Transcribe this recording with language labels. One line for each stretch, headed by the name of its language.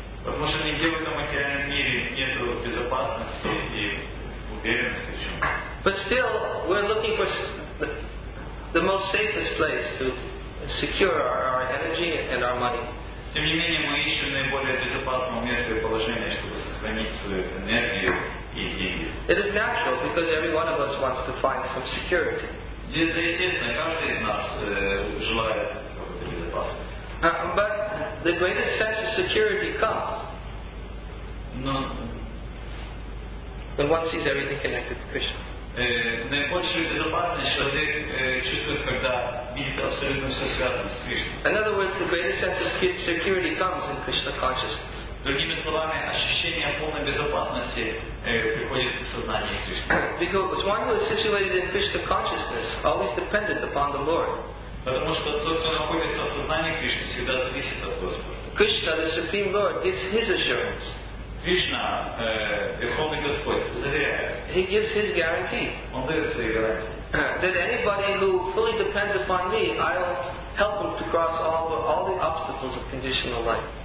Russian: Потому что нигде в этом материальном мире нет безопасности и уверенности.
English: But still, we're looking for the most safest place to secure our energy and our money.
Russian: Тем не менее, мы ищем наиболее безопасное место и положение, чтобы сохранить свою энергию и деньги.
English: It is natural because every one of us wants to find some security.
Russian: Это естественно, каждый из нас желает какой-то безопасности.
English: But the greatest sense of security comes. No. When one sees everything connected to Krishna.
Russian: Наибольшую безопасность человек чувствует, когда видит абсолютно все связано с Кришной.
English: In other words, the greatest sense of security comes in Krishna consciousness.
Russian: Другими словами, ощущение полной безопасности приходит в сознание Кришны.
English: Because one who is situated in Krishna consciousness always dependent upon the Lord.
Russian: Потому что тот, кто находится в сознании Кришны, всегда зависит от Господа.
English: Krishna, the Supreme Lord, gives his assurance.
Russian: Кришна, Верховный Господь, заверяет.
English: He gives his guarantee.
Russian: Он дает свои гарантии.
English: That anybody who fully depends upon me, I'll help him to cross all the obstacles of conditional life.